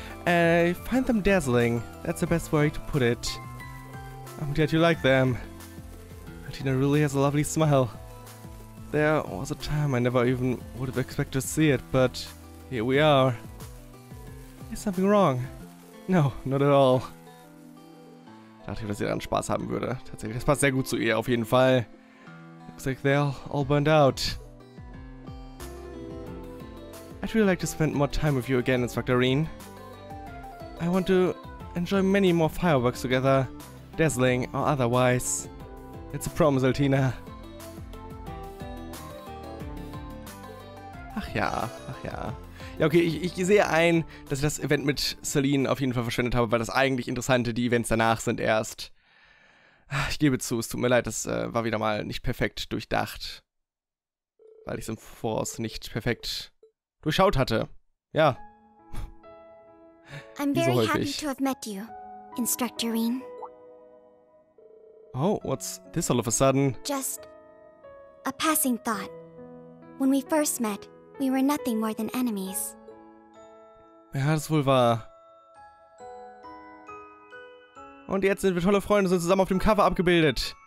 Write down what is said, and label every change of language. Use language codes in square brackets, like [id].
[en] I find them dazzling. That's the best way to put it. I'm glad you like them. Altina really has a lovely smile. There was a time I never even would have expected to see it, but here we are. Is something wrong? No, not at all. [de] dachte ich, dass sie daran Spaß haben würde. Tatsächlich, das passt sehr gut zu ihr, auf jeden Fall. [en] Looks like they're all burned out. I'd really like to spend more time with you again, Instructor Reen. I want to enjoy many more fireworks together, dazzling or otherwise. It's a promise, Altina. [de] Ach ja, ach ja. Ja, okay, ich sehe ein, dass ich das Event mit Celine auf jeden Fall verschwendet habe, weil das eigentlich Interessante, die Events danach sind erst. Ich gebe zu, es tut mir leid, das war wieder mal nicht perfekt durchdacht. Weil ich es im Voraus nicht perfekt durchschaut hatte. Ja. [en] I'm very happy to have met you, Instructor Reen. Oh, what's this all of a sudden? Just a passing thought. When we first met, we were nothing more than enemies. [de] Ja, das wohl war. Und jetzt sind wir tolle Freunde, sind zusammen auf dem Cover abgebildet.